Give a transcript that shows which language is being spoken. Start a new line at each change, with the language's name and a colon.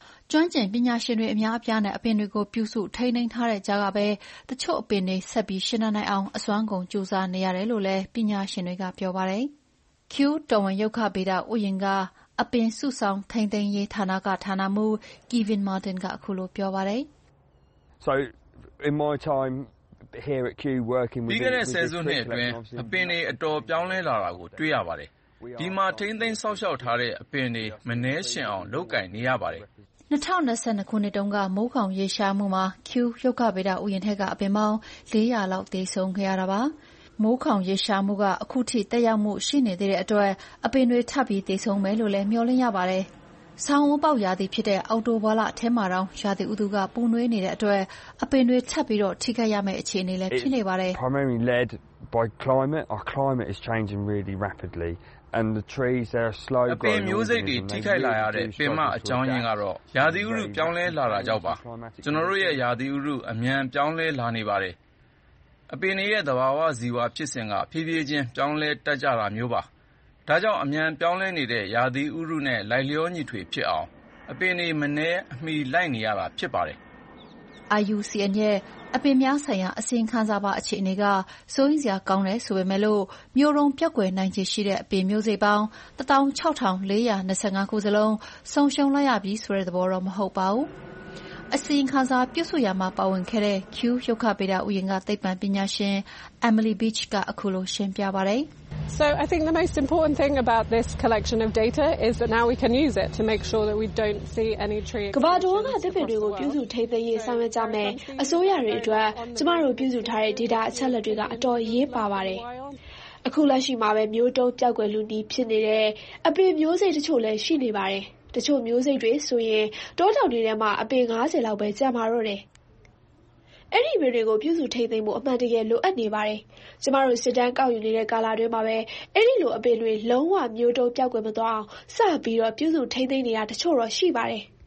Burmese: ကျွမ်းကျင်ပညာရှင်တွေအများအပြားနဲ့အပင်တွေကိုပြုစုထိန်းသိမ်းထားတဲ့ကြားကပဲတချို့အပင်တွေဆက်ပြီးရှင်းနိုင်အောင်အစွမ်းကုန်ကြိုးစားနေရတယ်လို့လည်းပညာရှင်တွေကပြောပါတယ်။ Q တော်ဝင်ရုပ်ခဗေဒဥယျာဉ်ကအပင်စုဆောင်ထိန်းသိမ်းရေးဌာနကဌာနမှူး Kevin Martin ကအခုလိုပြောပါတယ်
English: ။ So in my time here at Q working with the season here
Burmese: တွင်အပင်တွေအတော်ပြောင်းလဲလာတာကိုတွေ့ရပါတယ်။ဒီမှာထိန်းသိမ်းစောင့်ရှောက်ထားတဲ့အပင်တွေမနှဲရှင်အောင်လုပ်ကင်နေရပါတယ်။ 2022ခုနှစ်တုန်းကမိုးကောင်ရေရှားမှုမှာ Q ရုပ်ကဗေဒဥယျာဉ်ထက်ကအပင်ပေါင်း400လောက်သေဆုံးခဲ့ရတာပါမိုးကောင်ရေရှားမှုကအခုထိတက်ရောက်မှုရှိနေသေးတဲ့အတွက်အပင်တွေထပ်ပြီးသေဆုံးမယ်လို့လည်းမျှော်လင့်ရပါတယ်ဆောင်းဦးပေါက်ရာသီဖြစ်တဲ့အော်တိုဘွာလအထက်မှာတောင်ရာသီဥတုကပုံနွေးနေတဲ့အတွက်အပင်တွေထပ်ပြီးတော့ထိခိုက်ရမယ့်အခြေအနေလည်းဖြစ်နေပါတယ်
English: Primarily led by climate our climate is changing really rapidly. And the trees are slow growing.
Burmese: အပင်မျိုးစိတ်တွေထိခိုက်လာရတဲ့ပင်မအကြောင်းရင်းကတော့ရာသီဥတုပြောင်းလဲလာတာကြောင့်ပါ။ကျွန်တော်တို့ရဲ့ရာသီဥတုအမြန်ပြောင်းလဲလာနေပါတယ်။အပင်တွေရဲ့သဘာဝဇီဝဖြစ်စဉ်ကဖြည်းဖြည်းချင်းပြောင်းလဲတက်ကြတာမျိုးပါ။ဒါကြောင့်အမြန်ပြောင်းလဲနေတဲ့ရာသီဥတုနဲ့လိုက်လျောညီထွေဖြစ်အောင်အပင်တွေမနှဲအမိလိုက်နေရတာဖြစ်ပါတယ်။ IUCN ရဲ့အပင်များဆိုင်ရာအစဉ်ခံစားပါအခြေအနေကစိုးရင်စရာကောင်းတယ်ဆိုပေမဲ့လို့မျိုးရုံပြောက်ွယ်နိုင်ခြင်းရှိတဲ့အပင်မျိုးစိတ်ပေါင်း 16,425 ခုစလုံးဆုံးရှုံးလိုက်ရပြီဆိုတဲ့သဘောတော့မဟုတ်ပါဘူး။အစဉ်ခံစားပြုစုရမှာပါဝင်ခဲ့တဲ့ Q ရုပ်ခဗေဒဥယျာဉ်ကသိပ္ပံပညာရှင် Emily Beach ကအခုလိုရှင်းပြပါဗျ
English: ။ So I think the most important thing about this collection of data is that now we can use it to make sure that we don't see any tree.
Burmese: ကဗာဒေါ်ကသိပ္ပံတွေကိုပြုစုထိန်းသိမ်းရေးဆောင်ရွက်ကြမယ်။အစိုးရတွေအတွက်ကျမတို့ပြုစုထားတဲ့ data အချက်အလက်တွေကအတော်အရေးပါပါတယ်။အခုလက်ရှိမှာပဲမျိုးတုံးပြောက်ွယ်လူနီးဖြစ်နေတဲ့အပင်မျိုးစိတ်တချို့လည်းရှိနေပါတယ်။တချို့မျိုးစိတ်တွေဆိုရင်တောထောင်တွေထဲမှာအပင်50လောက်ပဲကျန်ပါတော့တယ်။အဲ့ဒီမျိုးတွေကိုပြုစုထိန်းသိမ်းဖို့အမှန်တကယ်လိုအပ်နေပါတယ်။ကျမတို့စစ်တမ်းကောက်ယူနေတဲ့ကာလတွေမှာပဲအဲ့ဒီလိုအပင်တွေလုံးဝမျိုးတုံးပြောက်ွယ်မသွားအောင်စပြီးတော့ပြုစုထိန်းသိမ်းနေတာတချို့တော့ရှိပါတယ်